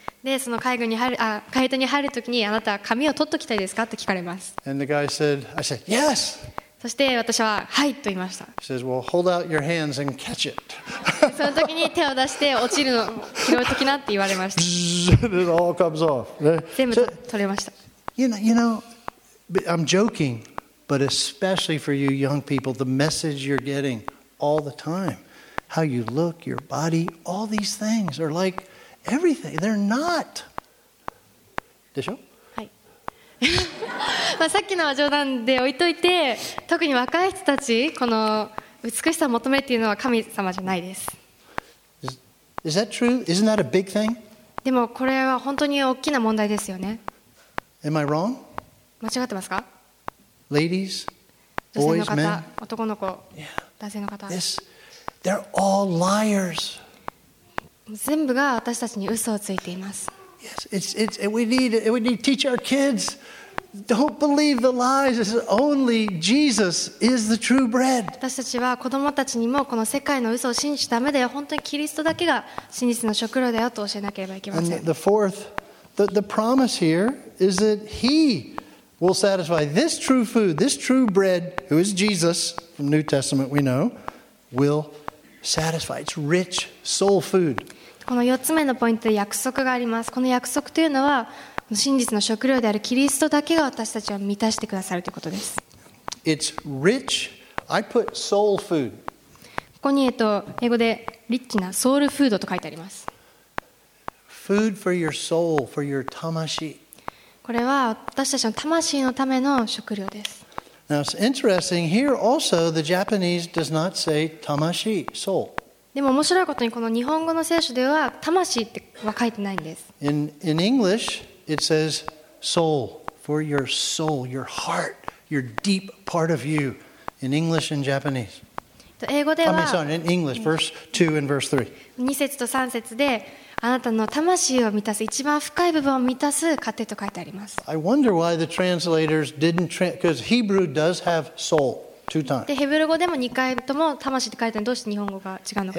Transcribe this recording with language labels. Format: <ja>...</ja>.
<ja>でその海軍に入る、あ、海兵隊に入るときに、あなた髪を取っときたいですかって聞かれます。</ja> <en>And the guy said, I said, yes!</en> <ja>そして私は、はいと言いました。</ja> <en>He says, well, hold out your hands and catch it.</en> <ja>そのときに手を出して落ちるの拾うときなって言われました。</ja> <en>It all comes off.</en> <ja>全部取れました。</ja> <en>You know, I'm joking, but especially for you young people, the message you're getting all the time, how you look, your body, all these things are likeEverything. They're not.</en> <ja>でしょ？はい。まあさっきのは冗談で置いといて、特に若い人たち、この美しさを求めっていうのは神様じゃないです。</ja> <en>Is that true? Isn't that a big thing?</en> <ja>でもこれは本当に大きな問題ですよね。</ja> <en>Am I wrong?</en> <ja>間違ってますか</ja> <en>？Ladies, boys, men.</en> <ja>女性の方、男の子、男性の方。</ja> <en>This, they're all liars.</en> <ja>全部が私たちに嘘をついています。</ja> <en>Yes, we need to teach our kids. Don't believe the lies. It's only Jesus is the true bread.</en> <ja>私たちは子供たちにもこの世界の嘘を信じちゃダメだよ。本当にキリストだけが真実の食料だよと教えなければいけません。</ja> <en>And the fourth, the promise here is that He will satisfy this true food, this true bread, who is Jesus from New Testament, we know, will. Satisfy. It's rich soul food.</en> <ja>この4つ目のポイントで約束があります。この約束というのは真実の食料であるキリストだけが私たちを満たしてくださるということです。</ja> <en>It's rich. I put soul food.</en> <ja>ここに英語でリッチなソウルフードと書いてあります。</ja> <en>Food for your soul, for your 魂。</en> <ja>これは私たちの魂のための食料です。</ja> <en>Now it's interesting. Here also, the Japanese does not say "tamashi" soul.</en> <ja>でも面白いことにこの日本語の聖書では魂って書いてないんです。</ja> <en>In English, it says "soul" for your soul, your heart, your deep part of you. In English and Japanese.</en> <ja>英語では、</ja> <en>in English, verse 2 and verse 3.</en> <ja>2節と3節で、あなたの魂を満たす、一番深い部分を満たす糧と書いてあります。</ja> <en>I wonder why the translators didn't because Hebrew does have soul two times.</en> <ja>で、ヘブル語でも2回とも魂って書いてあるのどうして日本語が違うのか。</ja>